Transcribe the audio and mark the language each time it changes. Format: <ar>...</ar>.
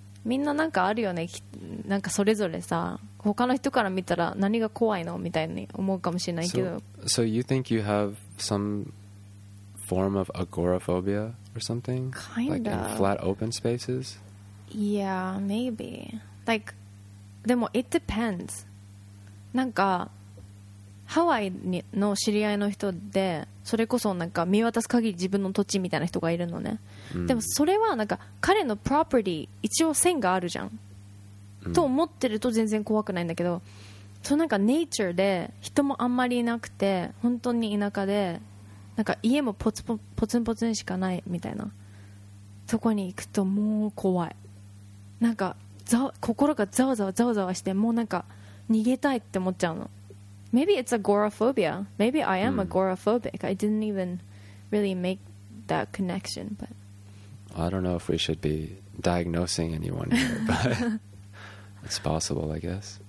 <ja>みんななんかあるよね。なんかそれぞれさ、他の人から見たら何が怖いのみたいに思うかもしれないけど。</ja> <en>So you think you have some form of agoraphobia or something? Kind of. Like in flat open spaces? Yeah, maybe. Like, でも it depends.</en> <ja>なんかハワイの知り合いの人で、それこそなんか見渡す限り自分の土地みたいな人がいるのね。でもそれはなんか彼のプロパティ一応線があるじゃんと思ってると全然怖くないんだけど、そのなんかネイチャーで人もあんまりいなくて本当に田舎でなんか家もポツンポツンしかないみたいなとこに行くともう怖い。なんか心がざわざわざわざわしてもうなんか逃げたいって思っちゃうの。</ja> <en>Maybe it's agoraphobia. Maybe I am agoraphobic. I didn't even really make that connection, but I don't know if we should be diagnosing anyone here, but it's possible, I guess.</en>